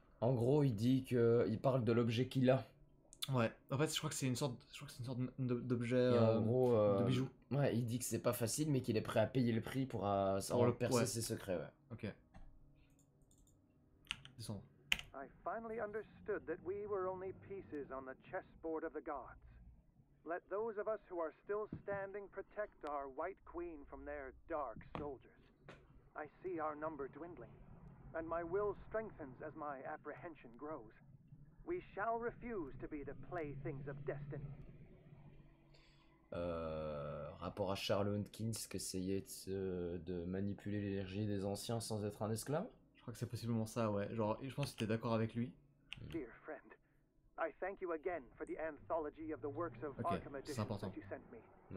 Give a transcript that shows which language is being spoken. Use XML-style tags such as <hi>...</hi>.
<fr>En gros, il dit que il parle de l'objet qu'il a. Ouais. En fait, je crois que c'est une sorte d'objet de bijou. Ouais, il dit que c'est pas facile mais qu'il est prêt à payer le prix pour savoir le percer ses secrets, ouais. OK. Descends.</fr> <en>I finally understood that we were only pieces on the chessboard of the gods. Let those of us who are still standing protect our white queen from their dark soldiers. I see our number dwindling, and my will strengthens as my apprehension grows. We shall refuse to be the playthings of destiny.</en> <fr>Rapport à Charles Hunkins qui essayait de manipuler l'énergie des anciens sans être un esclave? Je crois que c'est possiblement ça, ouais. Genre, je pense que t'es d'accord avec lui.</fr> <en>Dear friend. I thank you again for the anthology of the works of Arkham Editions that you sent me.</en>